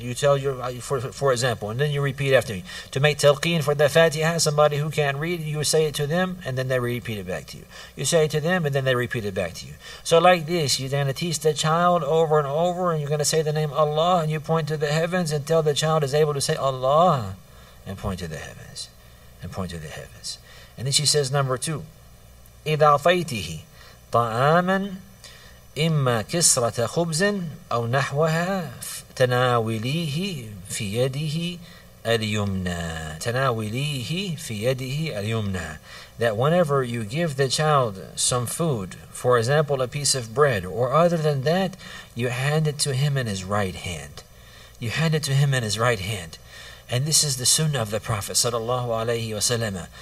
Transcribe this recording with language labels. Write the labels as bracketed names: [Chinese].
[English] You tell your, for example, and then you repeat after me. To make talqeen for the fatiha, somebody who can't read, you say it to them, and then they repeat it back to you. You say it to them, and then they repeat it back to you. So like this, you're going to teach the child over and over, and you're going to say the name Allah, and you point to the heavens until the child is able to say Allah, and point to the heavens, and point to the heavens. And then she says number two, [Arabic] إِذَا فَيْتِهِ طَعَامًا إِمَّا كِسْرَةَ خُبْزٍ أَوْ نَحْوَهَا تَنَاوِلِيهِ فِي يَدِهِ الْيُمْنَى. تَنَاوِلِيهِ فِي يَدِهِ الْيُمْنَى. [English] That whenever you give the child some food, for example, a piece of bread, or other than that, you hand it to him in his right hand. You hand it to him in his right hand. And this is the sunnah of the Prophet sallallahu alayhi wa sallam.